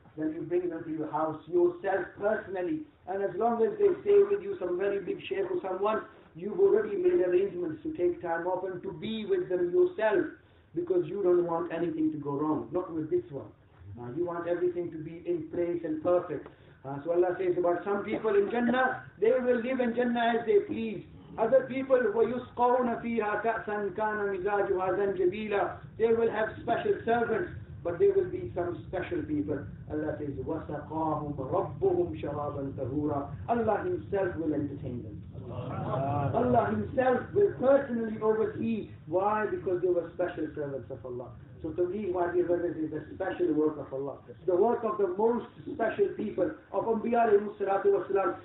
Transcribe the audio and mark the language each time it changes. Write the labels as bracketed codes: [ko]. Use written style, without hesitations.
[en] Then you bring them to your house yourself personally. And as long as they stay with you, some very big sheikh or someone, you've already made arrangements to take time off and to be with them yourself. Because you don't want anything to go wrong. Not with this one. You want everything to be in place and perfect. So Allah says about some people in Jannah, they will live in Jannah as they please. Other people, [ar] وَيُسْقَوْنَ فِيهَا كَأْسًا كَانَ مِزَاجُهَا زَنْجَبِيلًا. [en] They will have special servants, but there will be some special people. Allah says, [ar] وَسَقَاهُمْ رَبُّهُمْ شَرَابًا تَهُورًا. [en] Allah Himself will entertain them. Allah Himself will personally oversee. Why? Because they were special servants of Allah. So to me, my dear brothers, is the special work of Allah. The work of the most special people of Anbiya alayhi salatu wasalam.